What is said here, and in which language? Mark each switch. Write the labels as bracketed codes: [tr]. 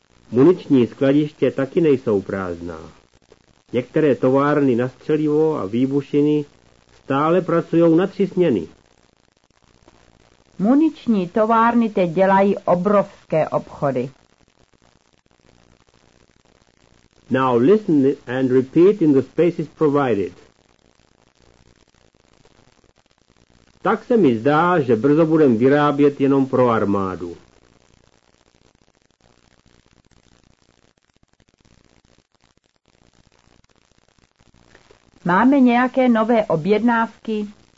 [cs] Muniční skladiště taky nejsou prázdná. Některé továrny na střelivo a výbušiny stále pracují na 3 směny. Muniční továrny teď dělají obrovské obchody. [en] Now listen and repeat in the spaces provided. [cs] Tak se mi zdá, že brzo budem vyrábět jenom pro armádu. Máme nějaké nové objednávky?